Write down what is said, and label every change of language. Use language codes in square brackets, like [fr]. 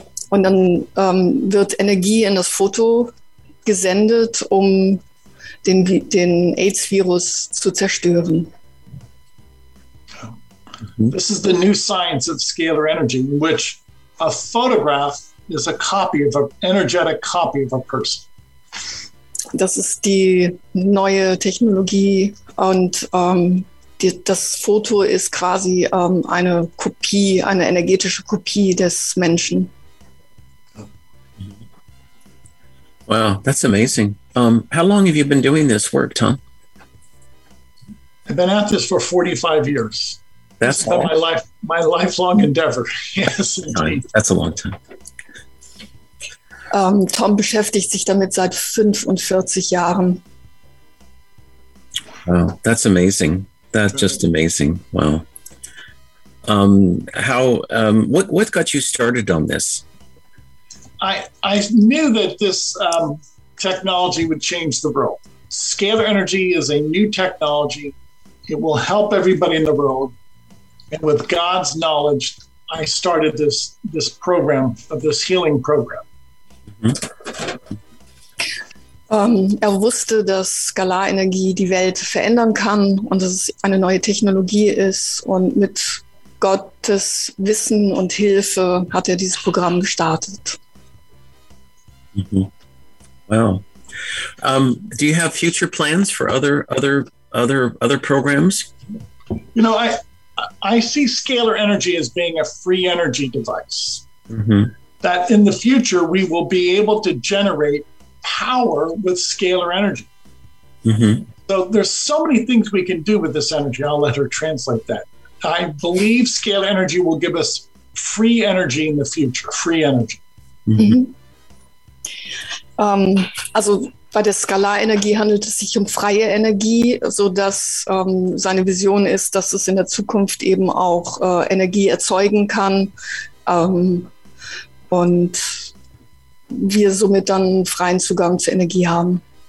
[de] Und dann wird Energie in das Foto gesendet, um den AIDS-Virus zu zerstören. [en] This is the new science of scalar energy, in which a photograph is a copy of an energetic copy of a person. Das ist die neue Technologie und das Foto ist quasi eine Kopie, eine energetische Kopie des Menschen. Wow, that's amazing. How long have you been doing this work, Tom? I've been at this for 45 years. That's been my lifelong endeavor. Yes, that's a long time. [de] Tom beschäftigt sich damit seit 45 Jahren. [en] Wow, that's amazing. That's just amazing. Wow. What got you started on this? I knew that this technology would change the world. Scalar energy is a new technology. It will help everybody in the world. And with God's knowledge, I started this program, of this healing program. [de] Er wusste, dass Skalarenergie die Welt verändern kann und dass es eine neue Technologie ist. Und mit Gottes Wissen und Hilfe hat er dieses Programm gestartet. [en] Wow. Do you have future plans for other programs? You know, I see scalar energy as being a free energy device. That in the future we will be able to generate power with scalar energy. So there's so many things we can do with this energy. I'll let her translate that. I believe scalar energy will give us free energy in the future, free energy. [de] Also bei der Skalarenergie handelt es sich um freie Energie, sodass seine Vision ist, dass es in der Zukunft eben auch Energie erzeugen kann. Und wir somit dann freien Zugang zu Energie haben.